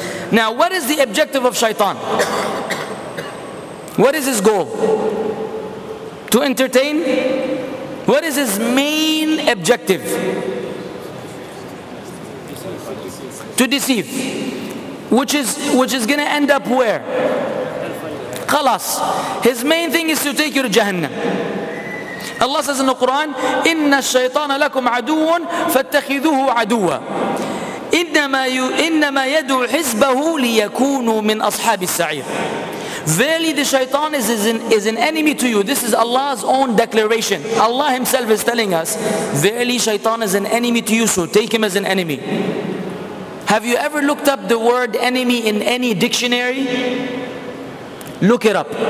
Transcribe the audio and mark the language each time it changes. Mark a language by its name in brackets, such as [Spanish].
[English] Now, what is the objective of Shaytan? What is his goal? To entertain? What is his main objective? To deceive. Which is going to end up where? Khalas. His main thing is to take you to Jahannam. Allah says in the Quran, [Arabic] إِنَّ الشَّيْطَانَ لَكُمْ عَدُوٌ فَاتَّخِذُوهُ عَدُوًا إِنَّمَا يَدُوا حِزْبَهُ لِيَكُونُوا مِنْ أَصْحَابِ السَّعِيرِ. [English] Verily the shaitan is an enemy to you. This is Allah's own declaration. Allah himself is telling us, verily shaitan is an enemy to you, so take him as an enemy. Have you ever looked up the word enemy in any dictionary? Look it up.